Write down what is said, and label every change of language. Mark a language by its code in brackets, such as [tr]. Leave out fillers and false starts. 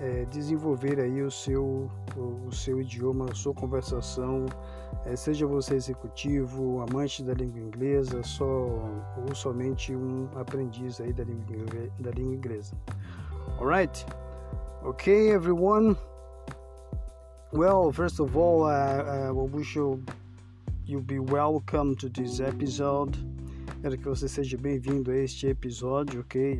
[pt] desenvolver aí o seu idioma, a sua conversação, seja você executivo, amante da língua inglesa, somente um aprendiz aí da língua inglesa. [en] Alright, ok everyone. Well, first of all, I wish you be welcome to this episode. [pt] Quero que você seja bem-vindo a este episódio, ok?